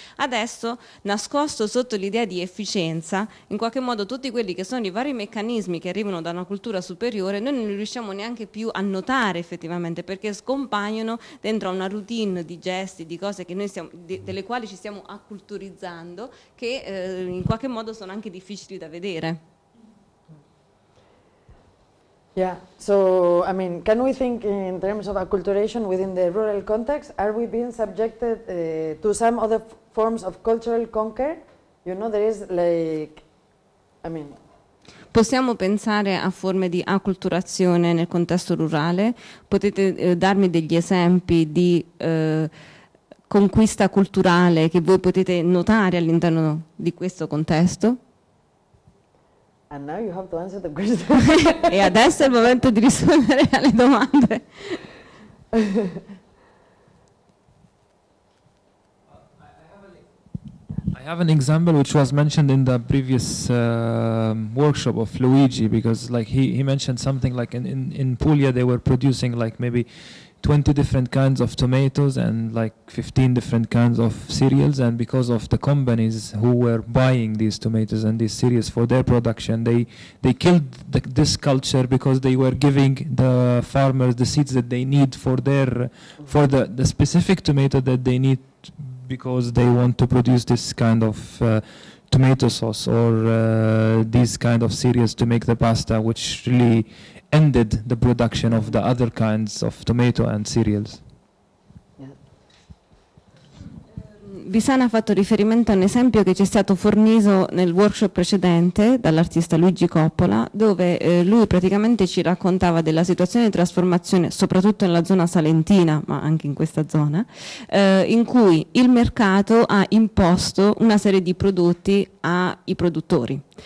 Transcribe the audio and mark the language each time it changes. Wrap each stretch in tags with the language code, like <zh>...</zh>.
<it>Adesso, nascosto sotto l'idea di efficienza, in qualche modo tutti quelli che sono i vari meccanismi che arrivano da una cultura superiore, noi non riusciamo neanche più a notare effettivamente, perché scompaiono dentro a una routine di gesti, di cose che noi siamo, delle quali ci stiamo acculturizzando, che in qualche modo sono anche difficili da vedere.</it> <en>Yeah, so I mean, can we think in terms of acculturation within the rural context? Are we being subjected to some other forms of cultural conquer? You know, there is like, I mean.</en> <it>Possiamo pensare a forme di acculturazione nel contesto rurale? Potete darmi degli esempi di conquista culturale che voi potete notare all'interno di questo contesto?</it> <en>And now you have to answer the question.</en> <it>E adesso è il momento di rispondere alle domande.</it> <en>I have an example which was mentioned in the previous workshop of Luigi, because like he mentioned something like in Puglia they were producing like maybe 20 different kinds of tomatoes and like 15 different kinds of cereals, and because of the companies who were buying these tomatoes and these cereals for their production, they killed this culture because they were giving the farmers the seeds that they need for their for the specific tomato that they need because they want to produce this kind of tomato sauce or these kind of cereals to make the pasta, which really ended the production of the other kinds of tomato and cereals.</en> <it>Bisana ha fatto riferimento a un esempio che ci è stato fornito nel workshop precedente dall'artista Luigi Coppola, dove lui praticamente ci raccontava della situazione di trasformazione, soprattutto nella zona salentina, ma anche in questa zona, in cui il mercato ha imposto una serie di prodotti ai produttori.</it>